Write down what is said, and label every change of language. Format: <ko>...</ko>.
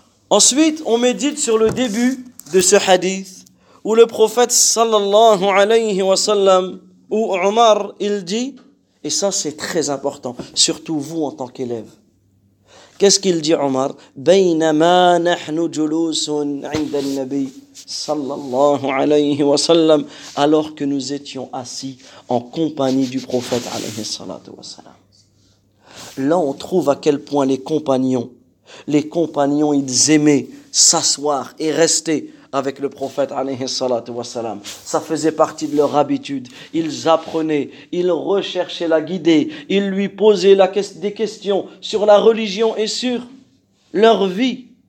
<fr>Ensuite, on médite sur le début de ce hadith où le prophète</fr> <ar>sallallahu alayhi wa sallam</ar> <fr>ou Omar, il dit, et ça c'est très important, surtout vous en tant qu'élève. Qu'est-ce qu'il dit Omar ?</fr> <ar>بينما نحن جلوس عند النبي صلى الله عليه وسلم</ar> <fr>alors que nous étions assis en compagnie du prophète</fr> <ar>عليه الصلاة والسلام.</ar> <fr>Là on trouve à quel point les compagnons ils aimaient s'asseoir et rester avec le prophète</fr> <ar>عليه الصلاة والسلام.</ar> <fr>Ça faisait partie de leur habitude. Ils apprenaient, ils recherchaient la guider, ils lui posaient des questions sur la religion et sur leur vie.</fr>